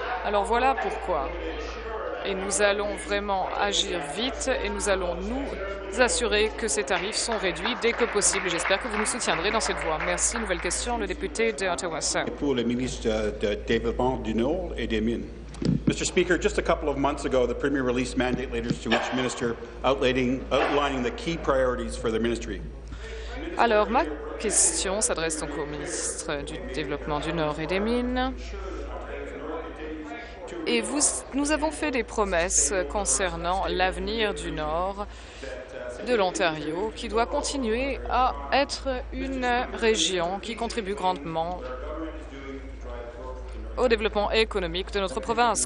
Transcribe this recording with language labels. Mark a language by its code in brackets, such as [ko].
[fr] Alors voilà pourquoi. Et nous allons vraiment agir vite et nous allons nous assurer que ces tarifs sont réduits dès que possible. J'espère que vous nous soutiendrez dans cette voie. Merci. Nouvelle question, le député de Ottawa South. Pour le ministre de Développement du Nord et des Mines. [en] Mr. Speaker, just a couple of months ago, the Premier released mandate letters to each minister outlining the key priorities for their ministry. [fr] Alors, ma question s'adresse donc au ministre du Développement du Nord et des Mines. Et nous avons fait des promesses concernant l'avenir du Nord de l'Ontario, qui doit continuer à être une région qui contribue grandement au développement économique de notre province.